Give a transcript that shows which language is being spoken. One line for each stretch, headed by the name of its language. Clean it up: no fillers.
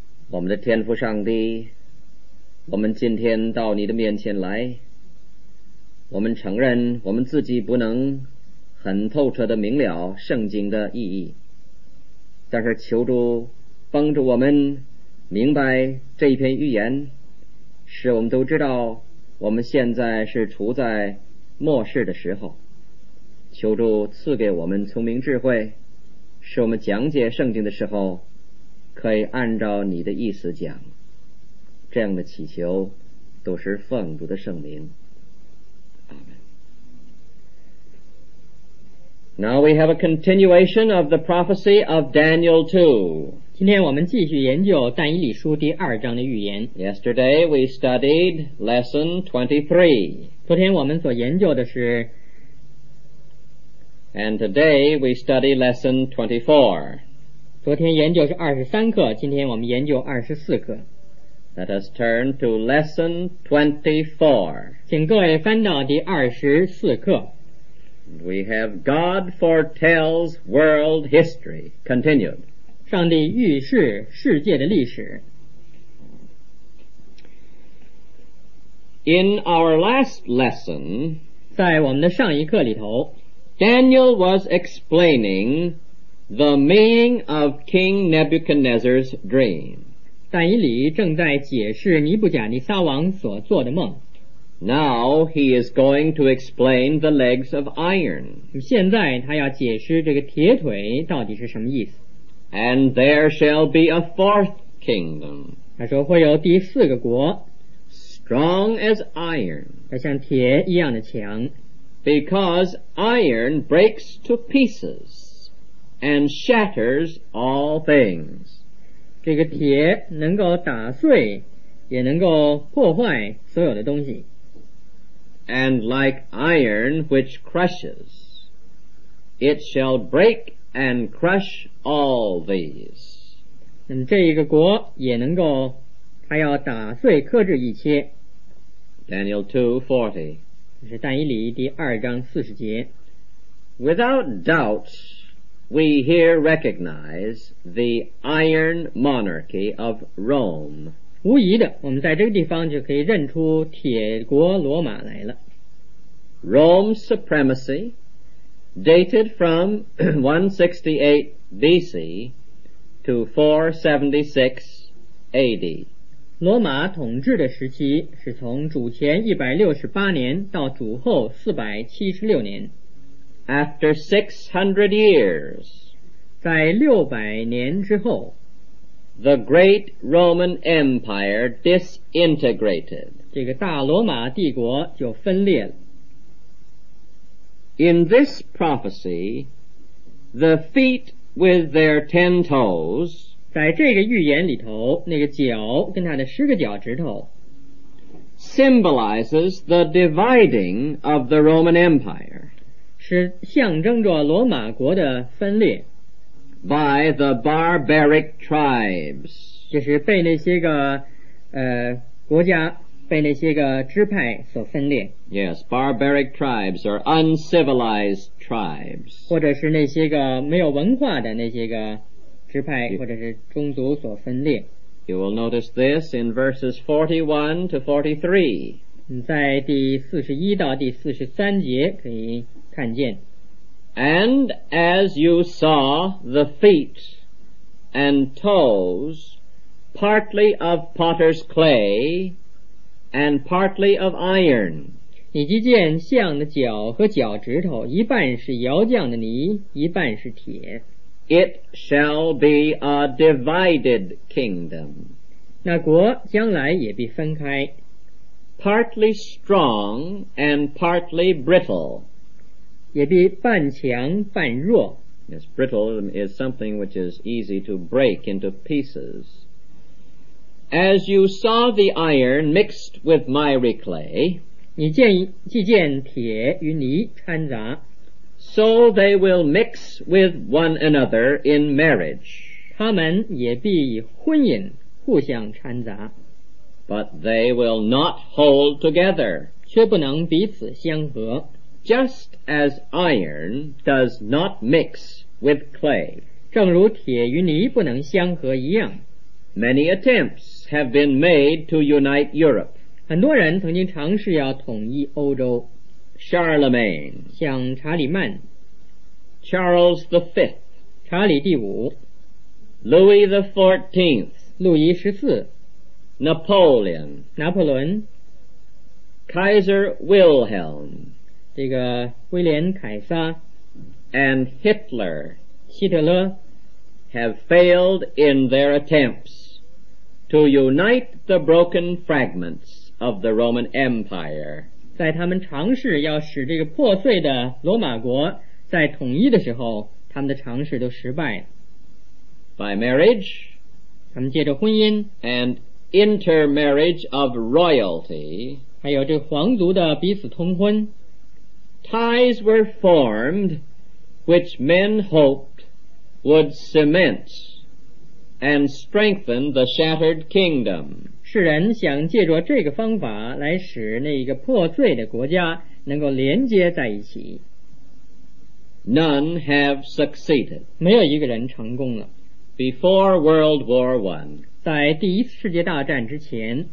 Chinese: 我们的天父上帝，我们今天到你的面前来，我们承认我们自己不能很透彻地明了圣经的意义，但是求主帮助我们明白这一篇预言，使我们都知道我们现在是处在末世的时候。求主赐给我们聪明智慧，使我们讲解圣经的时候可以按照你的意思讲。这样的祈求都是奉主的圣名。
English: Now we have a continuation of the prophecy of Daniel 2.
Chinese: 今天我们继续研究但以理书第二章的预言。
English: Yesterday we studied lesson 23.
Chinese: 昨天我们所研究的是。
English: And today we study lesson 24.
Chinese: 昨天研究是23课，今天我们研究24课。
English: Let us turn to lesson 24.
Chinese: 请各位翻到第24课。
English: We have God foretells world history. Continued.
Chinese: 上帝预示世界的历史。
English: In our last lesson,
Chinese: 在我们的上一课里头，
English: Daniel was explaining the meaning of King Nebuchadnezzar's dream.
Chinese: 但以理正在解释尼布甲尼撒王所做的梦。
English: Now he is going to explain the legs of iron.
Chinese: 现在他要解释这个铁腿到底是什么意思。
English: And there shall be a fourth kingdom.
Chinese: 他说会有第四个国。
English: Strong as iron.
Chinese: 他像铁一样的强。
English: Because iron breaks to pieces and shatters all things.
Chinese: 这个铁能够打碎，也能够破坏所有的东西。
English: And like iron which crushes, it shall break and crush all these.
Chinese: 这一个国也能够，它要打碎克制一切。
English: Daniel 2:40.
Chinese: 这是但以理第二章四十节。
English: Without doubt, we here recognize the iron monarchy of Rome.
Chinese: 无疑的，我们在这个地方就可以认出铁国罗马来了。
English: Rome's supremacy, dated from 168 BC to 476 AD.
Chinese: 罗马统治的时期是从主前168年到主后476年。
English: After 600 years,
Chinese: 在600年之后，
English: the great Roman Empire disintegrated.
Chinese: 这个大罗马帝国就分裂了。
English: In this prophecy, the feet with their 10 toes,
Chinese: 在这个预言里头，那个脚跟它的十个脚趾头，
English: symbolizes the dividing of the Roman Empire,
Chinese: 是象征着罗马国的分裂，
English: by the barbaric tribes,
Chinese: 就是被那些个国家被那些个支派所分裂。
English: Yes, barbaric tribes or uncivilized tribes.
Chinese: 或者是那些个没有文化的那些个支派或者是宗族所分裂。
English: You will notice this in verses 41 to 43.
Chinese: 在第41到第43节可以看见。
English: And as you saw the feet and toes partly of potter's clay,And partly of iron.
Chinese: 你既见象的脚和脚趾头，一半是窑匠的泥，一半是铁。
English: It shall be a divided kingdom.
Chinese: 那国将来也必分开。
English: Partly strong and partly brittle.
Chinese: 也必半强半弱。
English: Yes, brittle is something which is easy to break into pieces. As you saw the iron mixed with miry clay,
Chinese: 你见既见铁与泥掺杂。
English: So they will mix with one another in marriage.
Chinese: 他们也必以婚姻互相掺杂。
English: But they will not hold together.
Chinese: 却不能彼此相合。
English: Just as iron does not mix with clay.
Chinese: 正如铁与泥不能相合一样。
English: Many attempts have been made to unite Europe.
Chinese: 很多人曾经尝试要统一欧洲。
English: Charlemagne,
Chinese: 像查理曼
English: Charles the Fifth,
Chinese: 查理第五
English: Louis the Fourteenth,
Chinese: 路易十四
English: Napoleon,
Chinese: 拿破仑
English: Kaiser Wilhelm,
Chinese: 这个威廉凯撒
English: and Hitler,
Chinese: 希特勒
English: have failed in their attempts to unite the broken fragments of the Roman Empire.
Chinese: 在他们尝试要使这个破碎的罗马国在统一的时候，他们的尝试都失败了。
English: By marriage,
Chinese: 他们借着婚姻
English: and intermarriage of royalty,
Chinese: 还有这皇族的彼此通婚
English: ,ties were formed which men hoped would cement and strengthen the shattered kingdom.
Chinese: 世人想借着这个方法来使那个破碎的国家能够连接在一起。
English: None have succeeded.
Chinese: 没有一个人成功了。
English: Before World War I,
Chinese: 在第一次世界大战之前